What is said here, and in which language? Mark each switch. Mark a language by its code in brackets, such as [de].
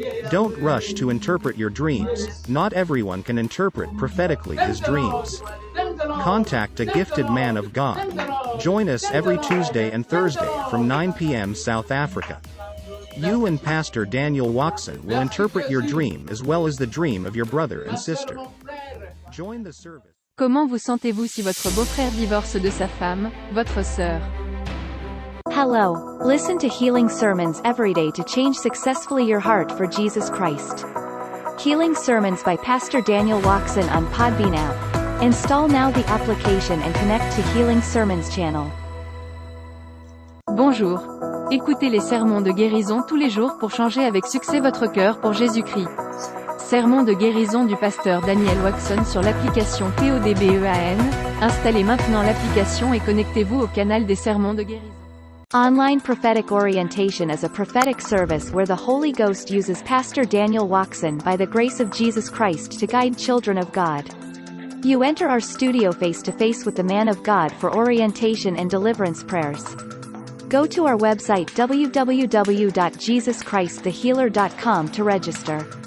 [en] Don't rush to interpret your dreams. Not everyone can interpret prophetically his dreams. Contact a gifted man of God. Join us every Tuesday and Thursday from 9 p.m. South Africa. You and Pastor Daniel Watson will interpret your dream as well as the dream of your brother and sister. Join the service. [fr] Comment vous sentez-vous si votre beau-frère divorce de sa femme, votre sœur? [en] Hello. Listen to healing sermons every day to change successfully your heart for Jesus Christ. Healing sermons by Pastor Daniel Watson on Podbean app. Install now the application and connect to Healing Sermons channel. [fr] Bonjour. Écoutez les sermons de guérison tous les jours pour changer avec succès votre cœur pour Jésus-Christ. Sermon de guérison du pasteur Daniel Watson sur l'application PODBEAN. Installez maintenant l'application et connectez-vous au canal des sermons de guérison. [en] Online prophetic orientation is a prophetic service where the Holy Ghost uses Pastor Daniel Watson by the grace of Jesus Christ to guide children of God. You enter our studio face to face with the man of God for orientation and deliverance prayers. Go to our website www.jesuschristthehealer.com to register.